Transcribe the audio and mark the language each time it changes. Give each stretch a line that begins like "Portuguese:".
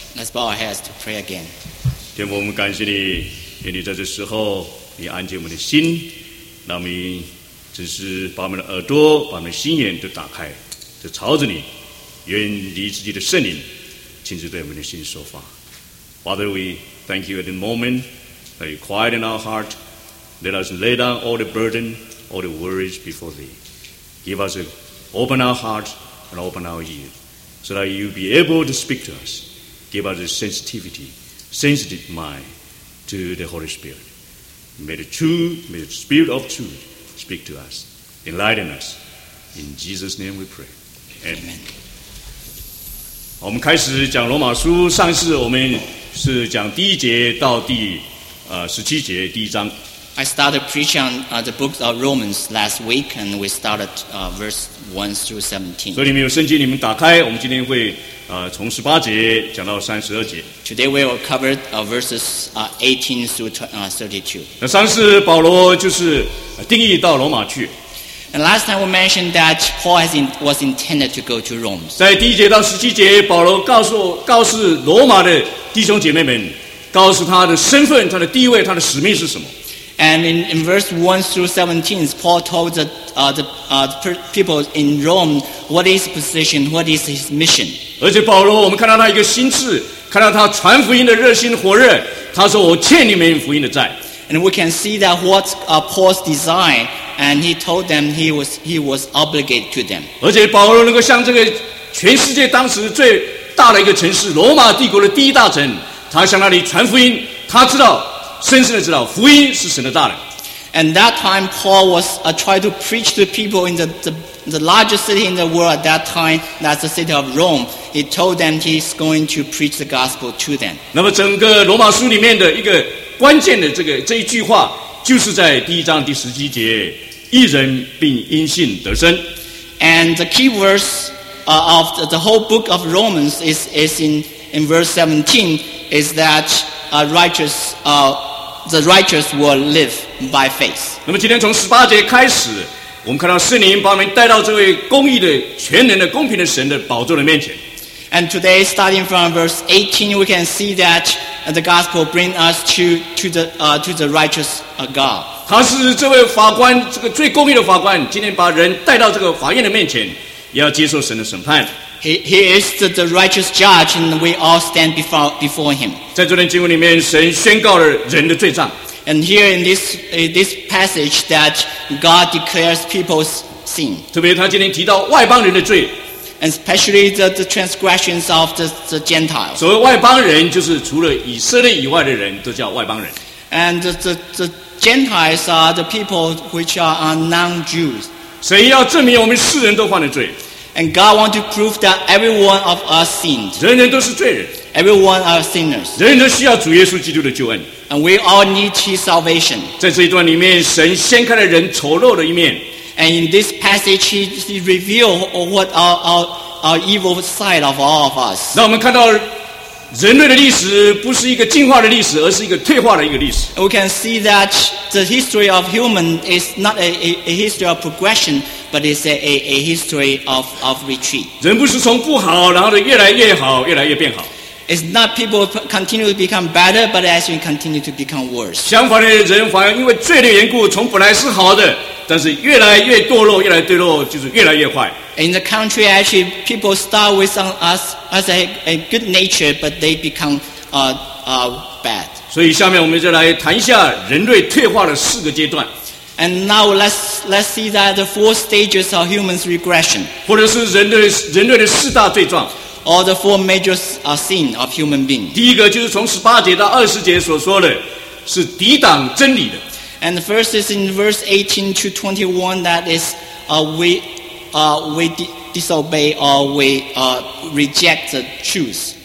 English: Let's bow our heads to pray again.
Chinese: 天父，我们感谢你，愿你在这时候你安静我们的心，让我们只是把我们的耳朵把我们的心眼都打开，就朝着你，愿你自己的圣灵亲自对我们的心说话。
English: Father, we thank you at the moment that you quiet in our heart. Let us lay down all the burden, all the worries before thee. Give us a open our heart and open our ear so that you be able to speak to us. Give us a sensitivity, sensitive mindTo the Holy Spirit. May the truth, may the Spirit of truth speak to us, enlighten us. In Jesus' name we pray. Amen.
Chinese: 我们开始讲罗马书，上次我们是讲第一节到第十七节第一章。
English: I started preaching on the book of Romans last week, and we started verse 1 through 17.
Chinese: 所以你们有圣经，你们打开，我们今天会从十八节讲到三十二节。
English: Today we will cover verses 18 through 32.
Chinese: 那上次保罗就是定义到罗马去。
English: And last time we mentioned that Paul was intended to go to Rome.
Chinese: 在第一节到十七节，保罗告诉罗马的弟兄姐妹们，告诉他的身份、他的地位、他的使命是什么。
English: And in verse 1 through 17, Paul told the people in Rome what is his position, what is his mission.
Chinese: 而且保罗，我们看到他一个心智，看到他传福音的热心火热，他说我欠你们福音的债。
English: And we can see that what's Paul's design, and he told them he was obligated to them.
Chinese: 而且保罗能够向这个全世界当时最大的一个城市，罗马帝国的第一大城，他向那里传福音，他知道，深深的知道福音是神的大能。
English: And that time, Paul was trying to preach to people in the largest city in the world at that time, that's the city of Rome. He told them he's going to preach the gospel to them.
Chinese: 那么整个罗马书里面的一个关键的这一句话，就是在第一章第十七节，义人并因信得生。
English: And the key verse of the whole book of Romans is in verse 17, is that the righteous will live by faith.
Chinese: 那么今天从十八节开始，我们看到圣灵把我们带到这位公义的、全能的、公平的神的宝座的面前。
English: And today, starting from verse 18, we can see that the gospel brings us to the righteous God.
Chinese: 他是这位法官，这个最公义的法官，今天把人带到这个法院的面前，也要接受神的审判。
English: He is the righteous judge, and we all stand before him.
Chinese: 在这段经文里面，神宣告了人的罪状。
English: And here in this passage, that God declares people's sin.
Chinese: 特别他今天提到外邦人的罪。
English: And especially the transgressions of the Gentiles.
Chinese: 所谓外邦人，就是除了以色列以外的人都叫外邦人。
English: And the Gentiles are the people which are non-Jews.
Chinese: 神要证明我们世人都犯了罪。
English: And God wants to prove that every one of us sinned.
Chinese: 人人都是罪人。
English: Everyone are sinners.
Chinese: 人人都需要主耶稣基督的救恩。
English: And we all need His salvation.
Chinese: 在这一段里面，神掀开了人丑陋的一面。
English: And in this passage, he revealed what our evil side of all of us.
Chinese: 那我们看到人类的历史不是一个进化的历史，而是一个退化的一个历史。
English: We can see that the history of human is not a history of progression, but it's a history of retreat.
Chinese: 人不是从不好，然后越来越好，越来越变好。
English: It's not people continue to become better, but as you continue to become worse.
Chinese: 相反的，人反而因为罪的缘故，从本来是好的，但是越来越堕落，越来越堕落，就是越来越坏。
English: In the country, actually, people start with us as a good nature, but they become bad.
Chinese: 所以下面我们就来谈一下人类退化的四个阶段。
English: And now let's see that the four stages of human regression.
Chinese: 或者是人类的四大罪状。
English: All the four major sins of human being.
Chinese: 第一个就是从十八节到二十节所说的，是抵挡真理的。
English: And the first is in verse 18 to 21, that is, we disobey or we reject the truth.